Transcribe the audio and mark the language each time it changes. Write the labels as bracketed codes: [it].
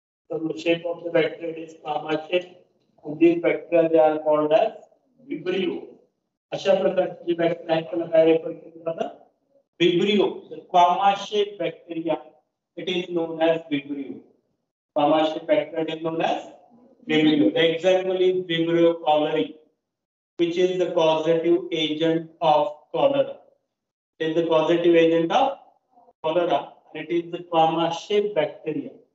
[en] So the shape of the bacteria is squama shape. These bacteria they are called as vibrio. [mr] अशा प्रकारचे bacteria आहेत त्यांना काय refer केलं जातं? [en] Vibrio. The squama shaped bacteria it is known as vibrio. Squama shaped bacteria is known as vibrio. The example is vibrio cholerae, which is the causative agent of cholera. It is the causative agent of cholera and it is the squama shaped bacteria.